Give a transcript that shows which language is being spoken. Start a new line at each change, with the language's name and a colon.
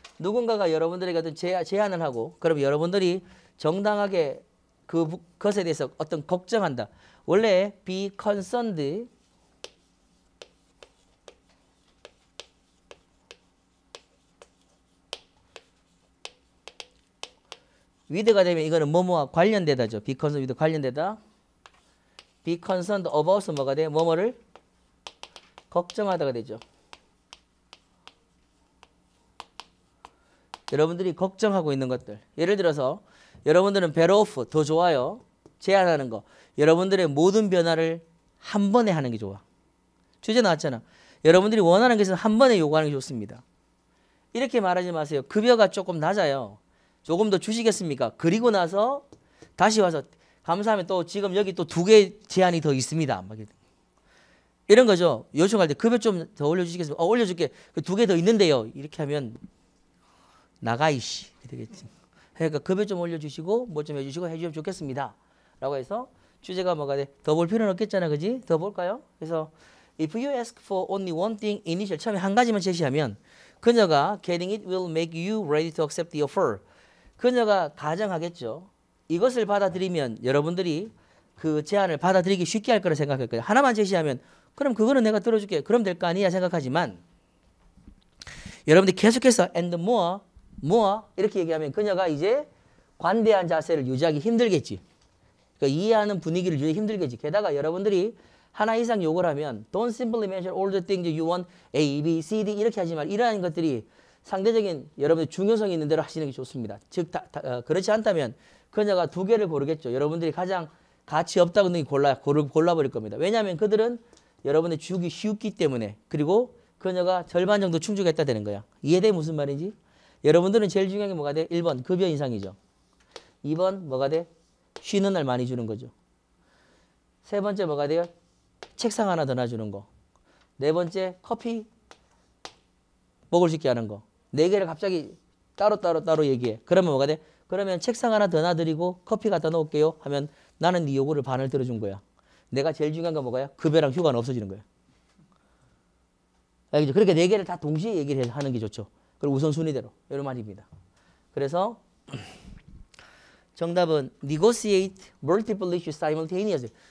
Korean: 누군가가 여러분들에게 어떤 제안을 하고 그럼 여러분들이 정당하게 그것에 대해서 어떤 걱정한다. 원래 be concerned 위드가 되면 이거는 뭐뭐와 관련되다죠. be concerned with 관련되다. be concerned about 뭐가 돼? 뭐뭐를 걱정하다가 되죠. 여러분들이 걱정하고 있는 것들. 예를 들어서 여러분들은 better off 더 좋아요. 제안하는 거. 여러분들의 모든 변화를 한 번에 하는 게 좋아. 주제 나왔잖아. 여러분들이 원하는 것은 한 번에 요구하는 게 좋습니다. 이렇게 말하지 마세요. 급여가 조금 낮아요. 조금 더 주시겠습니까? 그리고 나서 다시 와서 감사하면 또 지금 여기 또 두 개 제안이 더 있습니다. 막 이런 거죠. 요청할 때 급여 좀 더 올려주시겠습니까? 어, 올려줄게. 그 두 개 더 있는데요. 이렇게 하면 나가 이씨. 되겠지. 그러니까 급여 좀 올려주시고 뭐 좀 해주시고 해주면 좋겠습니다. 라고 해서 주제가 뭐가 돼? 더 볼 필요는 없겠잖아. 그지? 더 볼까요? 그래서
English: If you ask for only one thing initial
Korean: 처음에 한 가지만 제시하면 그녀가
English: getting it will make you ready to accept the offer.
Korean: 그녀가 가정하겠죠. 이것을 받아들이면 여러분들이 그 제안을 받아들이기 쉽게 할 거라 생각할 거예요. 하나만 제시하면 그럼 그거는 내가 들어줄게. 그럼 될 거 아니야 생각하지만 여러분들이 계속해서
English: and more, more
Korean: 이렇게 얘기하면 그녀가 이제 관대한 자세를 유지하기 힘들겠지. 그러니까 이해하는 분위기를 유지하기 힘들겠지. 게다가 여러분들이 하나 이상 요구를 하면
English: don't simply mention all the things you want A, B, C, D
Korean: 이렇게 하지 말. 이러한 것들이 상대적인 여러분의 중요성이 있는 대로 하시는 게 좋습니다. 즉 그렇지 않다면 그녀가 두 개를 고르겠죠. 여러분들이 가장 가치 없다고 하는 게 골라버릴 겁니다. 왜냐하면 그들은 여러분의 주기 쉬웠기 때문에 그리고 그녀가 절반 정도 충족했다 되는 거야. 이해돼 무슨 말인지? 여러분들은 제일 중요한 게 뭐가 돼? 1번 급여 인상이죠. 2번 뭐가 돼? 쉬는 날 많이 주는 거죠. 세 번째 뭐가 돼요? 책상 하나 더 놔주는 거. 네 번째 커피 먹을 수 있게 하는 거. 네 개를 갑자기 따로 얘기해. 그러면 뭐가 돼? 그러면 책상 하나 더 놔드리고 커피 갖다 놓을게요 하면 나는 네 요구를 반을 들어준 거야. 내가 제일 중요한 건 뭐가요? 급여랑 휴가는 없어지는 거야. 알겠죠? 그렇게 네 개를 다 동시에 얘기를 해서 하는 게 좋죠. 그리고 우선순위대로 이런 말입니다. 그래서 정답은
English: negotiate multiple issues simultaneously.